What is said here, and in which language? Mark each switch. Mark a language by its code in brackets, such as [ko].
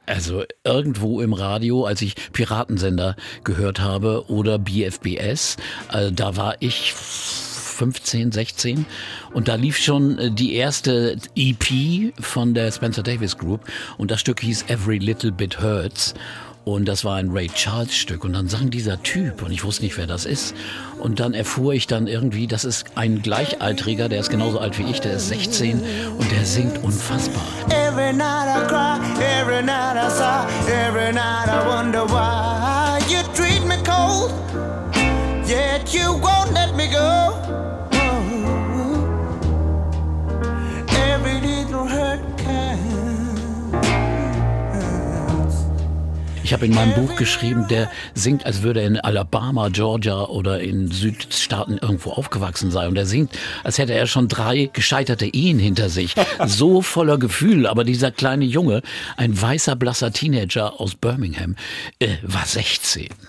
[de] Also irgendwo im Radio, als ich Piratensender gehört habe oder BFBS, also da war ich 15, 16 und da lief schon die erste EP von der Spencer Davis Group und das Stück hieß Every Little Bit Hurts und das war ein Ray Charles Stück und dann sang dieser Typ und ich wusste nicht, wer das ist und dann erfuhr ich dann irgendwie, das ist ein Gleichaltriger, der ist genauso alt wie ich, der ist 16 und der singt unfassbar. [en] Every night I cry, every night I sigh, every night I wonder why you treat me cold. Yet you won't let me go. Every little hurt counts. [de] Ich habe in meinem Buch geschrieben, der singt, als würde er in Alabama, Georgia oder in Südstaaten irgendwo aufgewachsen sein. Und er singt, als hätte er schon drei gescheiterte Ehen hinter sich. So voller Gefühl. Aber dieser kleine Junge, ein weißer, blasser Teenager aus Birmingham, war 16.